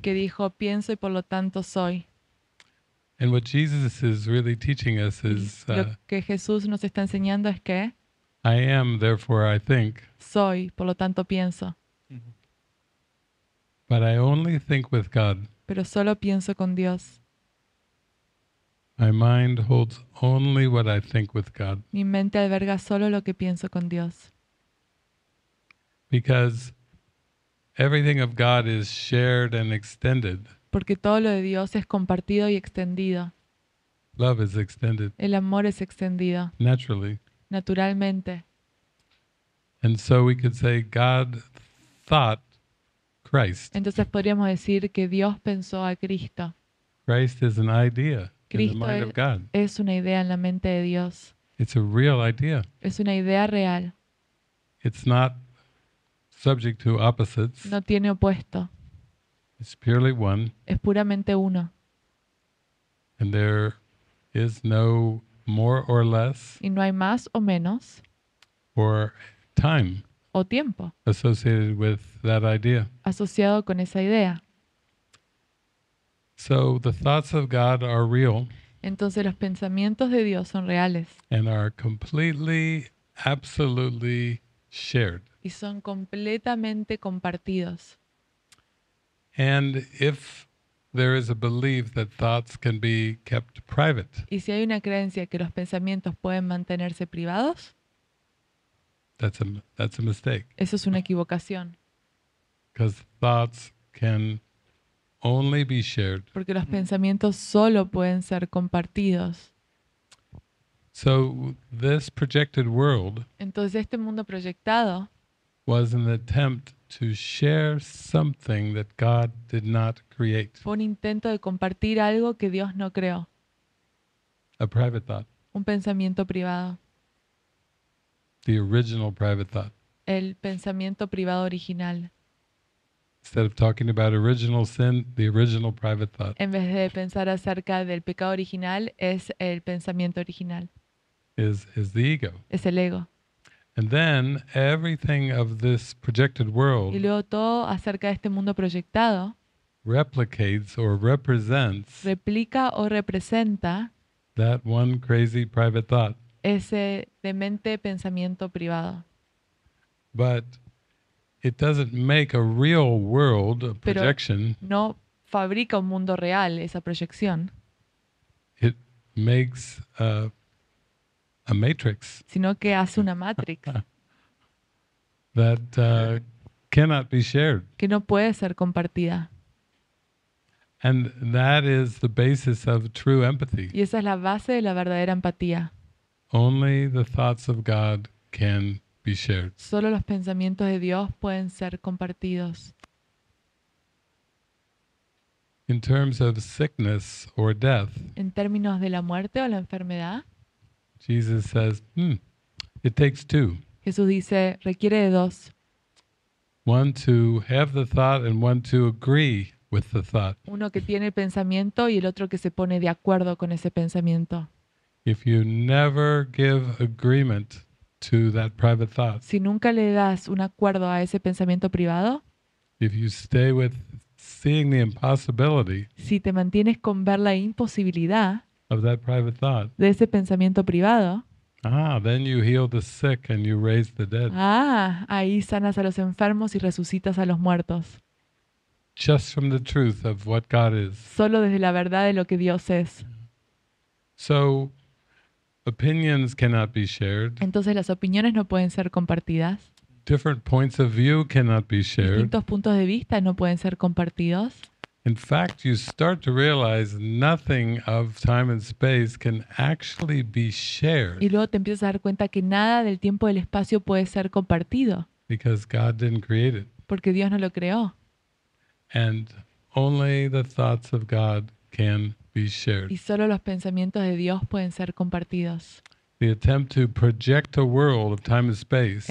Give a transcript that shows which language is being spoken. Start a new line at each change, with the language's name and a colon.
Spanish: Que dijo, pienso y por lo tanto soy.
English: And what Jesus is really teaching us is,
Spanish: lo que Jesús nos está enseñando es que
English: I am, therefore I think.
Spanish: Soy, por lo tanto pienso. Mm-hmm.
English: But I only think with God.
Spanish: Pero solo pienso con Dios.
English: My mind holds only what I think with God.
Spanish: Mi mente alberga solo lo que pienso con Dios.
English: Because everything of God is shared and extended.
Spanish: Porque todo lo de Dios es compartido y extendido.
English: Love is extended.
Spanish: El amor es extendido.
English: Naturally.
Spanish: Naturalmente.
English: And so we could say God thought Christ.
Spanish: Entonces podríamos decir que Dios pensó a Cristo.
English: Christ is an idea
Spanish: Cristo
English: in the mind of God.
Spanish: Es una idea en la mente de Dios.
English: It's a real idea.
Spanish: Es una idea real.
English: It's not subject to opposites.
Spanish: No tiene opuesto.
English: It's purely one.
Spanish: Es puramente uno.
English: And there is no more or less.
Spanish: Y no hay más o menos.
English: Or time.
Spanish: O tiempo.
English: Associated with that idea.
Spanish: Asociado con esa idea.
English: So the thoughts of God are real.
Spanish: Entonces los pensamientos de Dios son reales.
English: And are completely, absolutely shared.
Spanish: Y son completamente compartidos.
English: And if there is a belief that thoughts can be kept private.
Spanish: Y si hay una creencia que los pensamientos pueden mantenerse privados.
English: That's a mistake.
Spanish: Eso es una equivocación.
English: Because thoughts can only be shared.
Spanish: Porque los pensamientos solo pueden ser compartidos.
English: So this projected world.
Spanish: Entonces este mundo proyectado.
English: Was an attempt to share something that God did not create.
Spanish: Fue un intento de compartir algo que Dios no creó.
English: A private thought.
Spanish: Un pensamiento privado.
English: The original private thought.
Spanish: El pensamiento privado original.
English: Instead of talking about original sin, the original private thought.
Spanish: En vez de pensar acerca del pecado original, es el pensamiento original.
English: Is the ego.
Spanish: Es el ego.
English: And then everything of this projected world
Spanish: y luego todo acerca de este mundo proyectado
English: replicates or represents
Spanish: replica o representa
English: that one crazy private thought.
Spanish: Ese demente pensamiento privado.
English: But it doesn't make a real world a projection.
Spanish: Pero no fabrica un mundo real esa proyección.
English: It makes a matrix.
Spanish: Sino que hace una matrix.
English: That cannot be shared.
Spanish: Que no puede ser compartida.
English: And that is the basis of true empathy.
Spanish: Y esa es la base de la verdadera empatía.
English: Only the thoughts of God can be shared.
Spanish: Solo los pensamientos de Dios pueden ser compartidos.
English: In terms of sickness or death,
Spanish: en términos de la muerte o la enfermedad,
English: Jesus says, it takes two.
Spanish: Jesús dice, requiere de dos.
English: One to have the thought and one to agree with the thought.
Spanish: Uno que tiene el pensamiento y el otro que se pone de acuerdo con ese pensamiento.
English: If you never give agreement to that private thought,
Spanish: si nunca le das un acuerdo a ese pensamiento privado,
English: if you stay with seeing the impossibility,
Spanish: si te mantienes con ver la imposibilidad
English: of that private thought,
Spanish: de ese pensamiento privado,
English: then you heal the sick and you raise the dead.
Spanish: Ahí sanas a los enfermos y resucitas a los muertos.
English: Just from the truth of what God is.
Spanish: Solo desde la verdad de lo que Dios es.
English: So, opinions cannot be shared.
Spanish: Entonces las opiniones no pueden ser compartidas.
English: Different points of view cannot be shared.
Spanish: Distintos puntos de vista no pueden ser compartidos.
English: In fact, you start to realize nothing of time and space can actually be shared.
Spanish: Y luego te empiezas a dar cuenta que nada del tiempo y del espacio puede ser compartido.
English: Because God didn't create it.
Spanish: Porque Dios no lo creó.
English: And only the thoughts of God can be shared.
Spanish: Y solo los pensamientos de Dios pueden ser compartidos.
English: The attempt to project a world of time and space.